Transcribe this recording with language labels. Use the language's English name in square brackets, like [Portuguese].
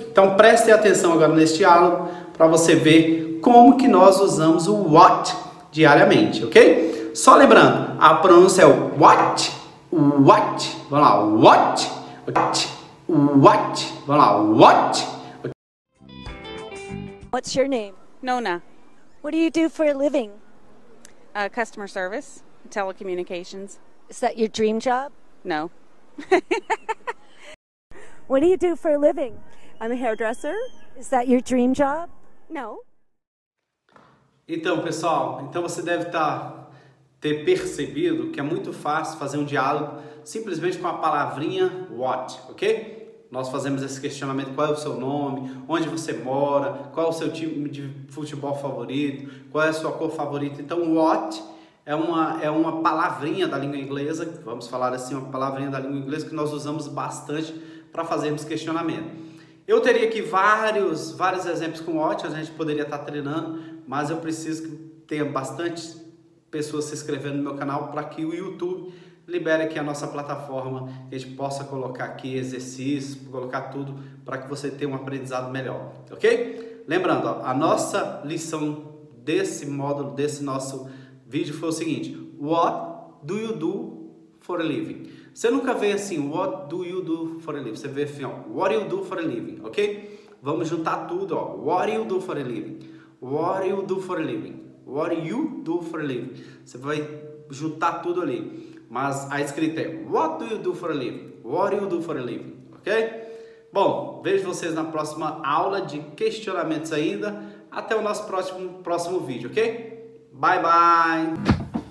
[Portuguese] Então preste atenção agora neste diálogo para você ver como que nós usamos o what diariamente, ok? Só lembrando, a pronúncia é what, what, vamos lá, what, what, what, vamos lá, what. [English] What's your name? Nona. What do you do for a living? Customer service, telecommunications. Is that your dream job? No. What do you do for a living? I'm a hairdresser. Is that your dream job? No. [Portuguese] Então, pessoal, então você deve ter percebido que é muito fácil fazer um diálogo simplesmente com a palavrinha what, ok? Nós fazemos esse questionamento, qual é o seu nome, onde você mora, qual é o seu time de futebol favorito, qual é a sua cor favorita. Então, what É uma palavrinha da língua inglesa, vamos falar assim, uma palavrinha da língua inglesa que nós usamos bastante para fazermos questionamento. Eu teria aqui vários exemplos com what, a gente poderia estar treinando, mas eu preciso que tenha bastante pessoas se inscrevendo no meu canal para que o YouTube libere aqui a nossa plataforma, que a gente possa colocar aqui exercícios, colocar tudo para que você tenha um aprendizado melhor, ok? Lembrando, ó, a nossa lição desse módulo, desse nosso vídeo foi o seguinte: [English] what do you do for a living? [Portuguese] Você nunca vê assim, [English] what do you do for a living? [Portuguese] Você vê assim, ó, [English] what do you do for a living, ok? [Portuguese] Vamos juntar tudo, ó, [English] what do you do for a living? What do you do for a living? What do you do for a living? [Portuguese] Você vai juntar tudo ali, mas a escrita é [English] what do you do for a living? What do you do for a living, ok? [Portuguese] Bom, vejo vocês na próxima aula de questionamentos ainda. Até o nosso próximo vídeo, ok? [English] Bye, bye!